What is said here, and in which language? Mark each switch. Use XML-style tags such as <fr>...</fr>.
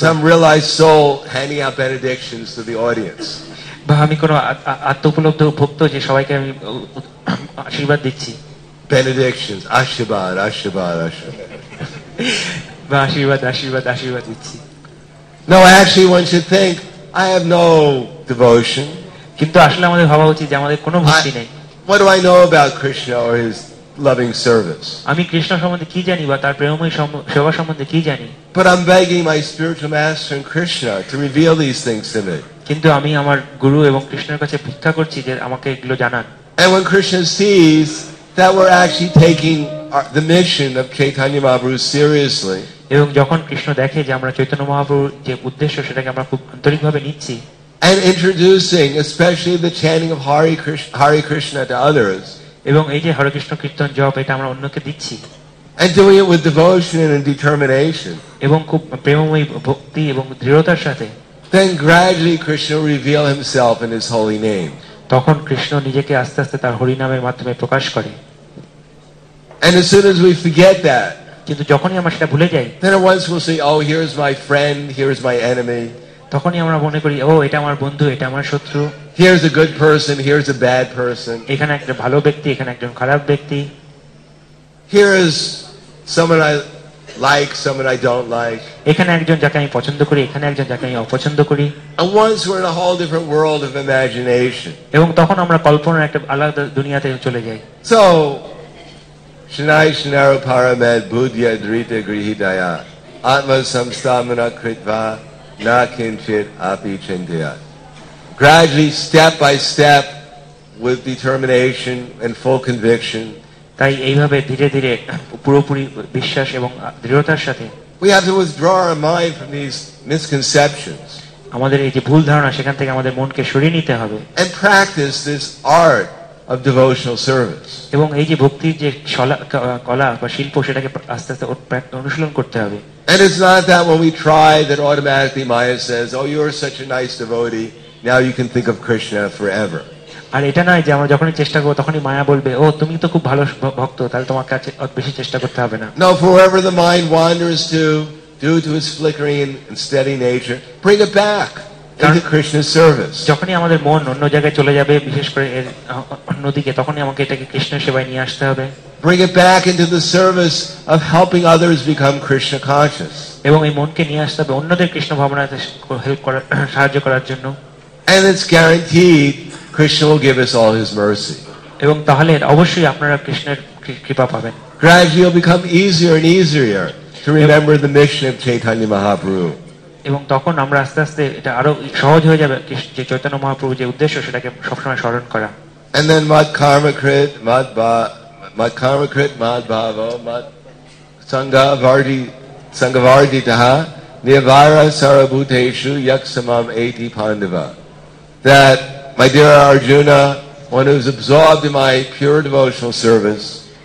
<en>Some realized soul handing out benedictions to the audience</en> <bn>বা আমি কোন আত্মোপলব্ধ ভক্ত যে সবাইকে আমি আশীর্বাদ দিচ্ছি benedictions আশীর্বাদ আশীর্বাদ আশীর্বাদ বা আশীর্বাদ আশীর্বাদ আশীর্বাদ দিচ্ছি</bn> <en>No, I actually want you to think I have no devotion</en> <bn>কিন্তু আসলে আমাদের ভাবা উচিত যে আমাদের কোনো ভক্তি নেই</bn> <en>What do I know about Krishna or his loving service</en> <bn>আমি কৃষ্ণ সম্বন্ধে কি জানি বা তার প্রেমময় সেবা সম্বন্ধে কি জানি</bn> <en>But I'm begging my spiritual master and Krishna to reveal these things to me</en> <bn>কিন্তু আমি আমার গুরু এবং কৃষ্ণের কাছে ভিক্ষা করছি যে আমাকে এগুলো জানান</bn> <en>And when Krishna sees that we're actually taking the mission of Chaitanya Mahaprabhu seriously</en> <bn>এবং যখন কৃষ্ণ দেখে যে আমরা চৈতন্য মহাপ্রভুর যে উদ্দেশ্য সেটাকে আমরা খুব আন্তরিক ভাবে নিচ্ছি</bn> <en>And introducing especially the chanting of Hare Krishna to others</en> <bn>এবং এই যে হরে কৃষ্ণ কীর্তন জপ এটা আমরা অন্যকে দিচ্ছি</bn> <en>And doing it with devotion and determination</en> <bn>এবং খুব প্রেমময় ভক্তি এবং দৃঢ়তার সাথে</bn> <en>Then gradually Krishna will reveal himself in his holy name</en> <bn>তখন কৃষ্ণ নিজেকে আস্তে আস্তে তার হরি নামের মাধ্যমে প্রকাশ করে</bn> <en>And as soon as we forget that</en> <bn>কিন্তু যখনই আমরা সেটা ভুলে যাই</bn> <en>Then once we'll say oh here is my friend here is my enemy</en> <bn>তখনই আমরা মনে করি ও এটা আমার বন্ধু এটা আমার শত্রু</bn> <en>here is a good person here is a bad person</en> <bn>এখানে একটা ভালো ব্যক্তি এখানে একজন খারাপ ব্যক্তি</bn> <en>here is someone I like someone I don't like</en> <bn>এখানে একজন যাকে আমি পছন্দ করি এখানে একজন যাকে আমি অপছন্দ করি</bn> <en>and once we're in a whole different world of imagination</en> <bn>এবং তখন আমরা কল্পনার একটা আলাদা দুনিয়াতে চলে যাই</bn> <sa>so shnai shnaro paramed budhya drita grihidaya atma samstamana kritva na kinchit api chintaya</sa> <en>gradually step by step with determination and full conviction</en> <bn>তাই এইভাবে ধীরে ধীরে পুরোপুরি বিশ্বাস এবং দৃঢ়তার সাথে</bn> <en>we have to withdraw our mind from these misconceptions</en> <bn>আমাদের এই যে ভুল ধারণা সেখান থেকে আমাদের মনকে সরিয়ে নিতে হবে</bn> <en>and practice this art of devotional service</en> <bn>এবং এই যে ভক্তির যে কলা বা শিল্প সেটাকে আস্তে আস্তে অনুশীলন করতে হবে</bn> <en>And it's not that when we try that automatically Maya says, oh, you're such a nice devotee, now you can think of Krishna forever.</en> <bn>আর এটা নয় যে আমরা যখনই চেষ্টা করব তখনই মায়া বলবে ও তুমি তো খুব ভালো ভক্ত তাহলে তোমাকে আর বেশি চেষ্টা করতে হবে না</bn> <en>No, forever the mind wanders to due to its flickering and steady nature bring it back into Krishna's service</en> <bn>যখনই আমাদের মন অন্য জায়গায় চলে যাবে বিশেষ করে এর অন্যদিকে তখনই আমাকে এটাকে কৃষ্ণের সেবায় নিয়ে আসতে হবে</bn> <en>bring it back into the service of helping others become krishna conscious</en> <bn>এবং এই মনকে নিয়ে আসতে হবে অন্যদের কৃষ্ণ ভাবনায় হেল্প করার সাহায্য করার জন্য</bn> <en>and it's guaranteed krishna will give us all his mercy</en> <bn>এবং তাহলে অবশ্যই আপনারা কৃষ্ণের কৃপা পাবেন</bn> <en>gradually will become easier and easier to remember the mission of chaitanya mahaprabhu</en> <bn>এবং তখন আমরা আস্তে আস্তে এটা আরো সহজ হয়ে যাবে যে চৈতন্য মহাপ্রভু যে উদ্দেশ্য সেটাকে সবসময় স্মরণ করা</bn> <sa>and then mad karma krit mad ba mad karma krit mad bhavo mad sangha vardi taha nirvara sarabhuteshu yaksamam eti pandava</sa> <en>that my dear arjuna one who is absorbed in my pure devotional service</en>